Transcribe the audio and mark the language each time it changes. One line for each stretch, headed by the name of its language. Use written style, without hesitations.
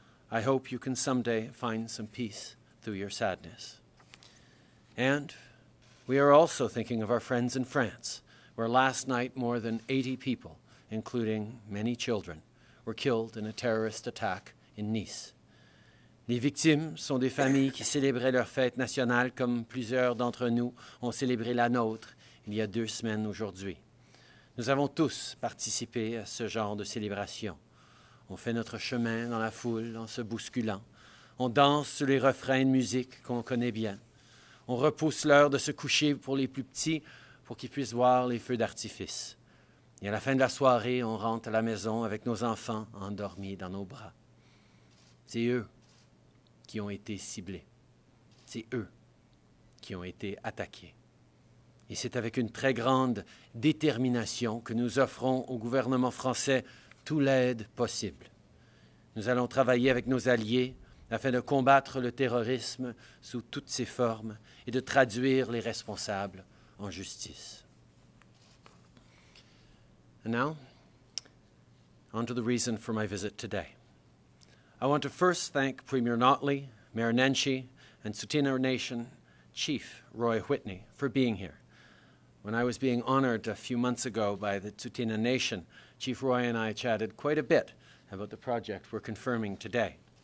English: I hope you can someday find some peace through your sadness. And we are also thinking of our friends in France, where last night more than 80 people, including many children, were killed in a terrorist attack in Nice.
French: Les victimes sont des familles qui célébraient leur fête nationale comme plusieurs d'entre nous ont célébré la nôtre il y a deux semaines aujourd'hui. Nous avons tous participé à ce genre de célébration. On fait notre chemin dans la foule en se bousculant. On danse sur les refrains de musique qu'on connaît bien. On repousse l'heure de se coucher pour les plus petits pour qu'ils puissent voir les feux d'artifice. Et à la fin de la soirée, on rentre à la maison avec nos enfants endormis dans nos bras. C'est eux qui ont été ciblés. C'est eux qui ont été attaqués. Et c'est avec une très grande détermination que nous offrons au gouvernement français toute l'aide possible. Nous allons travailler avec nos alliés afin de combattre le terrorisme sous toutes ses formes et de traduire les responsables en justice.
English: And now, on to the reason for my visit today. I want to first thank Premier Notley, Mayor Nenshi, and Tsuut'ina Nation Chief Roy Whitney for being here. When I was being honored a few months ago by the Tsuut'ina Nation, Chief Roy and I chatted quite a bit about the project we're confirming today.